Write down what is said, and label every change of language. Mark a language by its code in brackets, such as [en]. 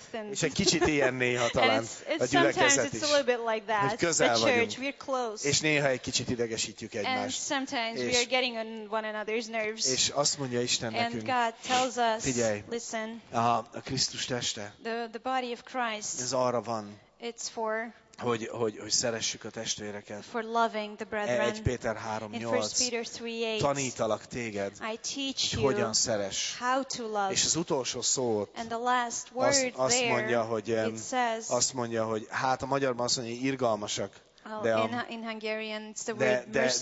[hu] És egy kicsit ilyen néha talán a gyülekezet is. Hogy közel vagyunk. [en] We're close. [hu] És néha egy kicsit idegesítjük egymást. [en] And sometimes we are getting on one another's nerves. [hu] És azt mondja Isten nekünk, [en] and God tells us, [hu] figyelj, [en] listen, [hu] a Krisztus teste, [en] the body of Christ, [hu] ez arra van, [en] it's for, [hu] hogy szeressük a testvéreket. [en] For loving the brethren. [hu] 1 Péter 3:8. Tanítalak téged, [en] I teach [hu] hogy hogyan szeress. [en] How to love. [hu] És az utolsó szó ott, [en] and the last word [hu] azt, azt mondja, hogy, [en] it says, [hu] azt mondja, hogy hát a magyarban azt mondja, hogy irgalmasak. [en] De, in Hungarian it's the word